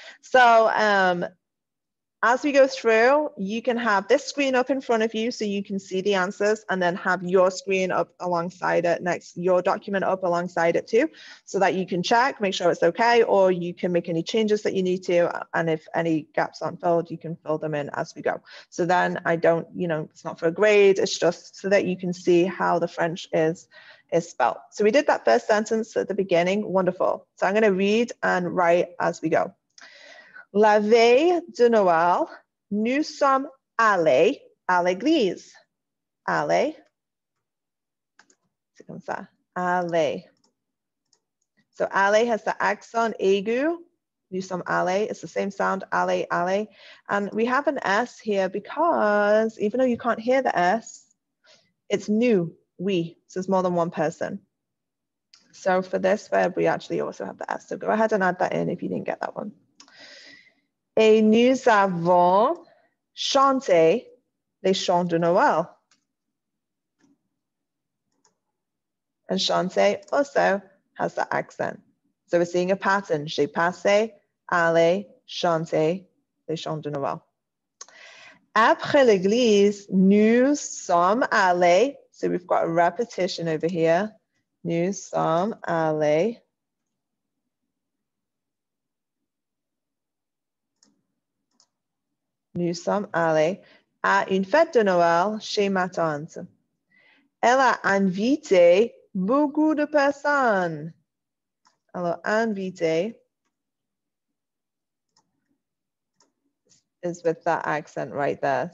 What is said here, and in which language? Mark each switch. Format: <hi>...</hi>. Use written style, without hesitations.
<en>So as we go through, you can have this screen up in front of you so you can see the answers, and then have your screen up alongside it next, your document up alongside it too, so that you can check, make sure it's okay, or you can make any changes that you need to. And if any gaps aren't filled, you can fill them in as we go. So then I don't, you know, it's not for a grade, it's just so that you can see how the French is spelled. So we did that first sentence at the beginning, wonderful. So I'm gonna read and write as we go.</en> <fr>La veille de Noël, nous sommes allés à l'église. Allés. C'est comme ça. Allés.</fr> <en>So, allés has the accent aigu.</en> <fr>Nous sommes allés.</fr> <en>It's the same sound. Allés, allés. And we have an S here because even though you can't hear the S, it's nous, we. So, it's more than one person. So, for this verb, we actually also have the S. So, go ahead and add that in if you didn't get that one.</en> <fr>Et nous avons chanté les chants de Noël.</fr> <en>And chanté also has the accent. So we're seeing a pattern.</en> <fr>J'ai passé, aller, chanté les chants de Noël. Après l'église, nous sommes allés.</fr> <en>So we've got a repetition over here.</en> <fr>Nous sommes allés. Nous sommes allés à une fête de Noël chez ma tante. Elle a invité beaucoup de personnes. Alors,</fr> <en>invité is with that accent right there.</en>